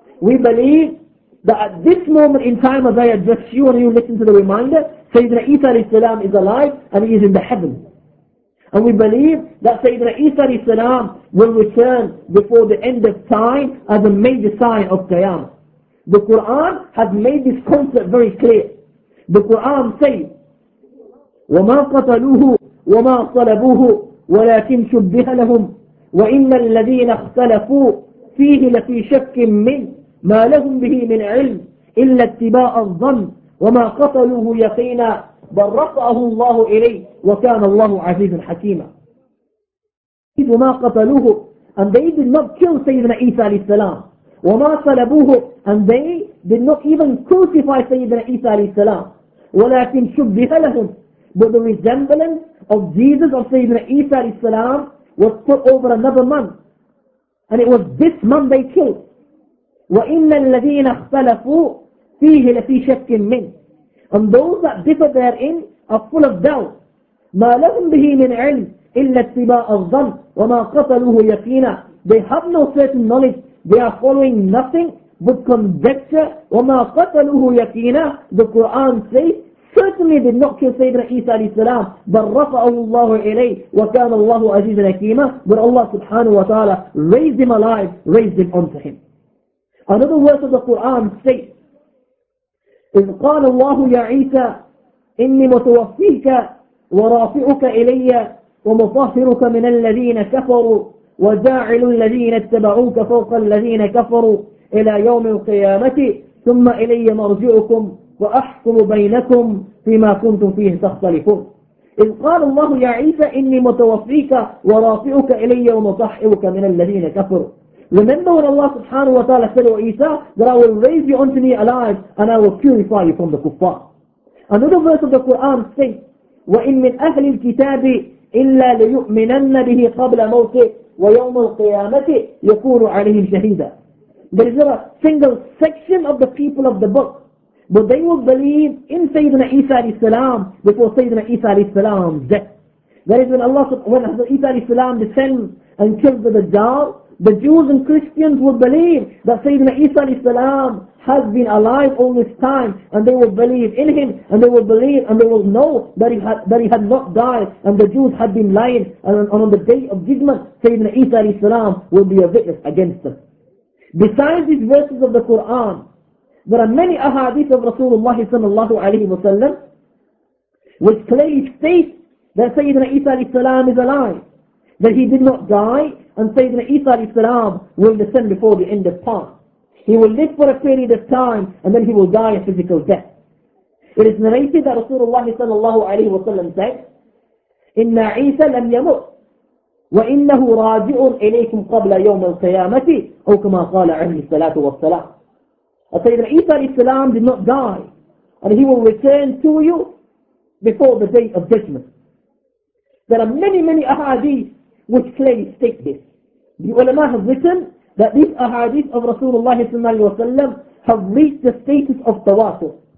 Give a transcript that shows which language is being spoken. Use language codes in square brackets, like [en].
[en] We believe that at this moment in time, as I address you and you listen to the reminder, Sayyidina Isa alayhi salam is alive and he is in the heavens. And we believe that Sayyidina Isa alayhi salam will return before the end of time as a major sign of Qiyamah. The Quran has made this concept very clear. The Quran says, [ar] وَمَا قَتَلُوهُ وَمَا صَلَبُوهُ وَلَكِنْ شُبِّهَ لَهُمْ وَإِنَّ الَّذِينَ اخْتَلَفُوا فِيهِ لَفِي شَكٍّ مِّنْ مَا لَهُمْ بِهِ مِنْ عِلْمٍ إِلَّا اتِّبَاءَ الظَّنِّ وَمَا قَتَلُوهُ يَقِينًا بل رفعه الله إليه وكان الله عزيزا حكيما. ما قتلوه [en] and they did not kill Sayyidina Isa عليه السلام. [ar] وما صلبوه [en] and they did not even crucify Sayyidina Isa عليه السلام. [ar] ولكن شبه لهم. [en] But the resemblance of Jesus of Sayyidina Isa عليه السلام was put over another man. And it was this man they killed. [ar] وَإِنَّ الَّذِينَ اخْتَلَفُوا فِيهِ لَفِي شَكٍ مِّنْ. [en] And those that differ therein are full of doubt. [ar] مَا لَهُمْ بِهِ مِنْ عِلْمٍ إِلَّا اتِّبَاءَ الظَّنِّ وَمَا قَتَلُوهُ يَقِينًا. [en] They have no certain knowledge. They are following nothing but conjecture. [ar] وَمَا قَتَلُوهُ يَقِينًا. [en] The Quran says, certainly did not kill Sayyidina Isa عليه السلام, [ar] بل رفعه الله إليه وكان الله عزيزا حكيما. [en] But Allah subhanahu wa ta'ala raised him alive, raised him unto him. Another verse of the Quran states, [ar] إِذْ قَالَ اللَّهُ يَا عِيسَى إِنِّي مُتَوَفِّيكَ وَرَافِعُكَ إِلَيَّ وَمُطَهِّرُكَ مِنَ الَّذِينَ كَفَرُوا وَجَاعِلُ الَّذِينَ اتَّبَعُوكَ فَوْقَ الَّذِينَ كَفَرُوا إِلَى يَوْمِ الْقِيَامَةِ ثُمَّ إِلَيَّ مَرْجِعُكُمْ وَأَحْكُمُ بَيْنَكُمْ فِيمَا كُنْتُمْ فِيهِ تَخْتَلِفُونَ. إِذْ قَالَ اللَّهُ يَا عِيسَى إِنِّي مُتَوَفِّيكَ وَرَافِعُكَ إِلَيَّ وَمُطَهِّرُكَ مِنَ الَّذِينَ كَفَرُوا. [en] Remember when Allah subhanahu wa ta'ala said to Isa that I will raise you unto me alive and I will purify you from the kuffar. Another verse of the Quran says, [ar] وَإِن مِّنْ أَهْلِ الْكِتَابِ إِلَّا لَيُؤْمِنَنَّ بِهِ قَبْلَ مَوْتِهِ وَيَوْمُ الْقِيَامَةِ يَكُونُ عَلَيْهِمْ شَهِيدًا. [en] There is not a single section of the people of the book, but they will believe in Sayyidina Isa alayhi salam before Sayyidina Isa alayhi salam's death. That is when Allah, when Isa alayhi salam descends and kills the Dajjal, the Jews and Christians would believe that Sayyidina Isa alayhi salam has been alive all this time, and they would believe in him, and they would believe, and they would know that he had not died, and the Jews had been lying, and on the day of judgment, Sayyidina Isa alayhi salam will be a witness against them. Besides these verses of the Quran, there are many ahadith of Rasulullah sallallahu alayhi wa sallam, which clearly state that Sayyidina Isa alayhi salam is alive, that he did not die, and Sayyidina Isa alayhi salam will descend before the end of time. He will live for a period of time and then he will die a physical death. It is narrated that Rasulullah sallallahu alayhi wa sallam said, [ar] إِنَّ عِيسَى لَمْ يَمُؤْ وَإِنَّهُ رَاجِعٌ إِلَيْكُمْ قَبْلَ يَوْمَ الْقِيَامَةِ أَوْ كَمَا قَالَ عَلَيْهِ السَّلَاةُ وَالسَّلَامُ. [en] Sayyidina Isa alayhi salam did not die and he will return to you before the day of judgment. There are many, many ahadith which clearly state this. The ulama have written that these ahadith of Rasulullah have reached the status of tawatir.